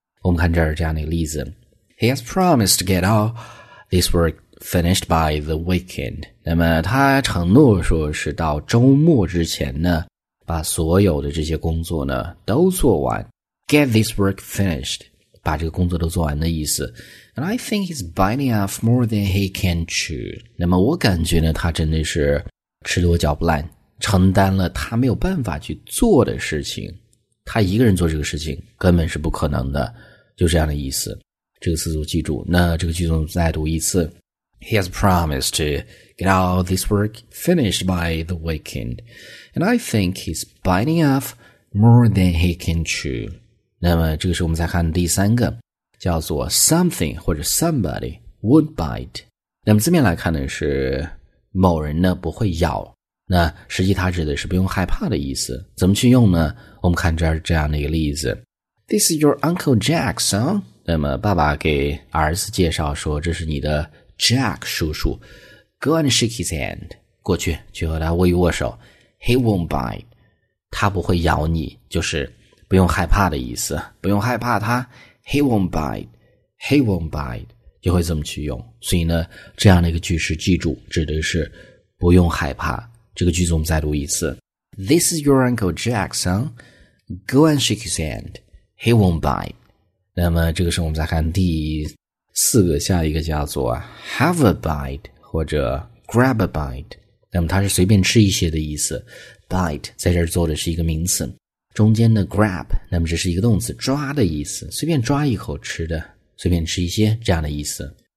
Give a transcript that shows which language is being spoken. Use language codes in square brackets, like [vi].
[zh] 我们看这儿这样的一个例子， [en] He has promised to get all this workfinished by the weekend， [zh] 那么他承诺说是到周末之前呢把所有的这些工作呢都做完， [en] get this work finished， [zh] 把这个工作都做完的意思。 [en] And I think he's biting off more than he can chew， [zh] 那么我感觉呢他真的是吃多嚼不烂，承担了他没有办法去做的事情，他一个人做这个事情根本是不可能的，就这样的意思。这个词组记住，那这个句子再读一次， [en] He has promised to get all this work finished by the weekend. And I think he's biting off more than he can chew. [zh] 那么这个是我们再看第三个，叫做 something 或者 [en] somebody would bite. [zh] 那么字面来看呢是某人呢不会咬，那实际它指的是不用害怕的意思。怎么去用呢？我们看这儿这样的一个例子， [en] This is your Uncle Jack, son. [zh] 那么爸爸给儿子介绍说，这是你的Jack 叔叔， [en] Go and shake his hand， [zh] 过去去和他握一握手， [en] He won't bite， [zh] 他不会咬你，就是不用害怕的意思，不用害怕他， He won't bite， He won't bite， 就会这么去用。所以呢这样的一个句式记住，指的是不用害怕。这个句子我们再读一次， [en] This is your Uncle Jack, son. Go and shake his hand, He won't bite。 [zh] 那么这个时候我们再看第四个，下一个叫做 [en] have a bite [zh] 或者 [en] grab a bite， [zh] 那么它是随便吃一些的意思， bite 在这儿做的是一个名词，中间的 grab 那么这是一个动词，抓的意思，随便抓一口吃的，随便吃一些这样的意思。